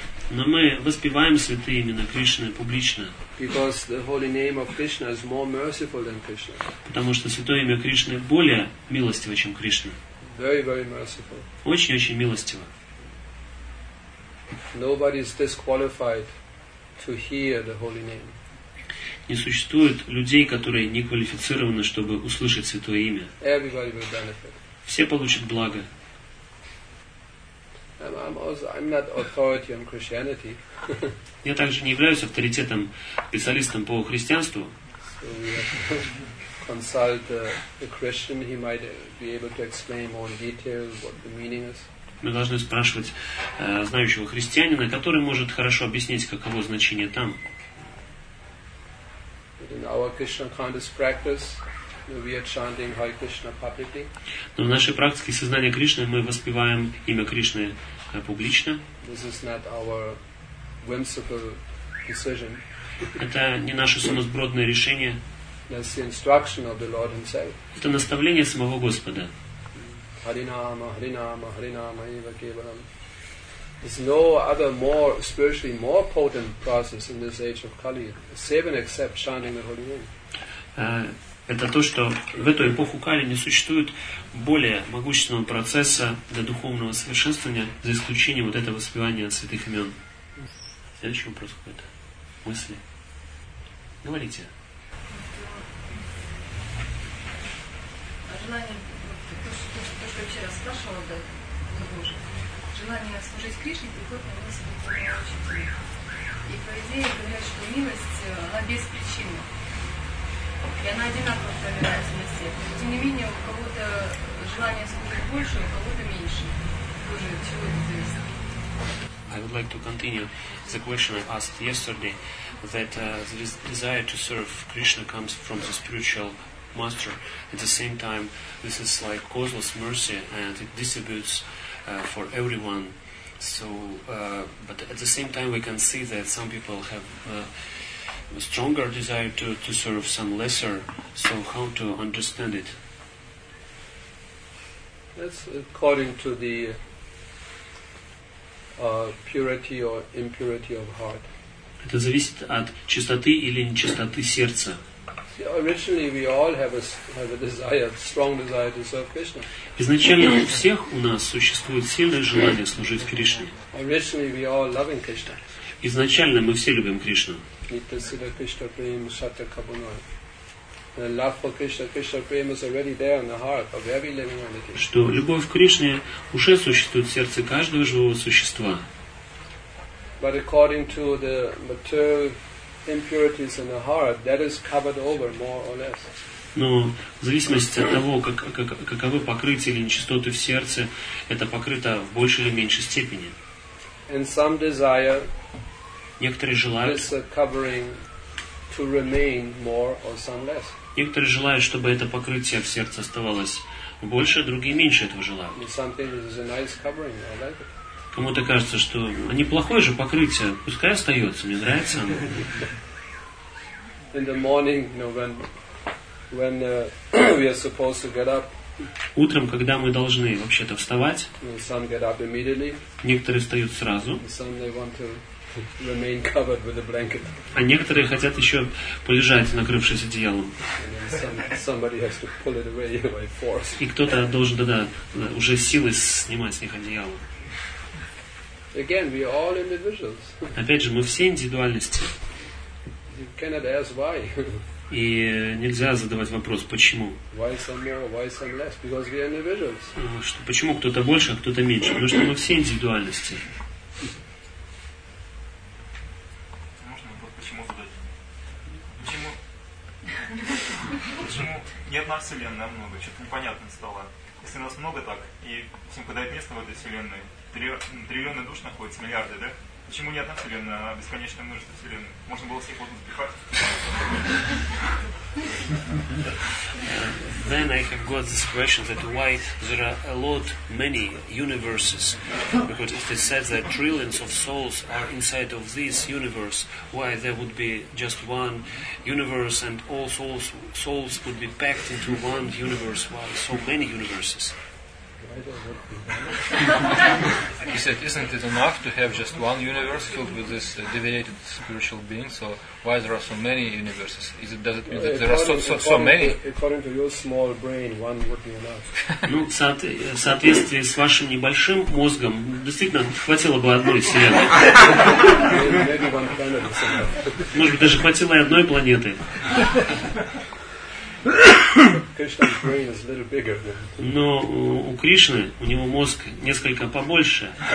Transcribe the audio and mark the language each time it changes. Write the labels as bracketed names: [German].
[Russian] Но мы воспеваем святые имена Кришны публично. [English] Because the holy name of Krishna is more merciful than Krishna. [Russian] Потому что святое имя Кришны более милостиво, чем Кришна. [English] Very, very merciful. [Russian] Очень-очень милостиво. [English] Nobody is disqualified to hear the holy name. [Russian] Не существует людей, которые не квалифицированы, чтобы услышать святое имя. [English] Everybody will benefit. [Russian] Все получат благо. [English] I'm not authority on Christianity. [Russian] Я также не являюсь авторитетом, специалистом по христианству. [English] So we have to consult a Christian. He might be able to explain more in detail what the meaning is. [Russian] Мы должны спрашивать знающего христианина, который может хорошо объяснить, каково значение там. [English] But in our Krishna conscious practice, we are chanting Hare Krishna publicly. [Russian] Но в нашей практике сознания Кришны мы воспеваем имя Кришны публично. [English] This is not our whimsical decision. [Russian] Это не наше сумасбродное решение. [English] That's the instruction of the Lord himself. [Russian] Это наставление самого Господа. [Sanskrit] Харинама, Харинама, Харинама, Ива Кевалам. [English] There's no other more spiritually more potent process in this age of Kali, save and except chanting the holy name. [Russian] Это то, что в эту эпоху Кали не существует более могущественного процесса для духовного совершенствования, за исключением вот этого воспевания святых имен. Следующий вопрос какой-то. Мысли. Говорите. Желание, то, что я вчера спрашивала, да, Боже, желание служить Кришне приходит на мысль, что она очень тихо. И по идее говорят, что милость, она без причины. И она одинаково проявляется на всех. Тем не менее, у кого-то желание служить больше, у кого-то меньше. Боже, от чего это зависит? [English] I would like to continue the question I asked yesterday, that the desire to serve Krishna comes from the spiritual master. At the same time, this is like causeless mercy, and it distributes for everyone So, but at the same time, we can see that some people have a stronger desire to serve, some lesser. So, how to understand it? That's according to the purity or impurity of heart. [Russian] Это зависит от чистоты или нечистоты сердца. [English] Originally, we all have a desire, strong desire to serve Krishna. [Russian] Изначально у всех у нас существует сильное желание служить Кришне. [English] Originally, we all love Krishna. [Russian] Изначально мы все любим Кришну. [Bangla] Nitya siddha Krishna prema satya kabunoi. [English] The love for Krishna, Krishna prema is already there in the heart of every living entity. [Russian] Что любовь к Кришне уже существует в сердце каждого живого существа. [English] But according to the material impurities in the heart, that is covered over more or less. [Russian] Но в зависимости от того, каковы покрытия или нечистоты в сердце, это покрыто в большей или меньшей степени. [English] And some desire, [Russian] некоторые желают, [English] this covering to remain more or some less. [Russian] Некоторые желают, чтобы это покрытие в сердце оставалось больше, другие меньше этого желают. [English] And some think it's a nice covering, I like it. [Russian] Кому-то кажется, что неплохое же покрытие, пускай остается, мне нравится оно. [English] In the morning, you know, when we are supposed to get up. [Russian] Утром, когда мы должны вообще-то вставать. [English] You know, some get up immediately. [Russian] Некоторые встают сразу. [English] Some they want to remain covered with a blanket. [Russian] А некоторые хотят еще полежать, накрывшись одеялом. [English] Somebody has to pull it away by force. [Russian] И кто-то должен тогда уже силой снимать с них одеяло. [English] Again, we are all individuals. [Russian] Опять же, мы все индивидуальности. [English] You cannot ask why. [Russian] И нельзя задавать вопрос, почему. [English] Why some more, why some less? Because we are individuals. [Russian] Что, почему кто-то больше, а кто-то меньше? Потому что мы все индивидуальности. Можно вопрос, почему задать? Почему? Почему не одна вселенная, а много? Что-то непонятно стало. Если нас много так, и всем подает место в этой вселенной, триллионы душ находятся, миллиарды, да? Почему не одна вселенная, а бесконечное множество вселенной? Можно было всех вот запихать. [English] Then I have got this question that why there are a lot, many universes? Because if they said that trillions of souls are inside of this universe, why there would be just one universe and all souls would be packed into one universe? Why so many universes? He said, isn't it enough to have just one universe filled with this deviated spiritual being? So why there are so many universes? Is it, does it mean that there are so many? According to your small brain, one would be enough. [Russian] Ну, в соответствии с вашим небольшим мозгом, действительно, хватило бы одной вселенной. Может быть, даже хватило и одной планеты. [English] Krishna's brain is a little bigger than. [Russian] Но у Кришны, у него мозг несколько побольше.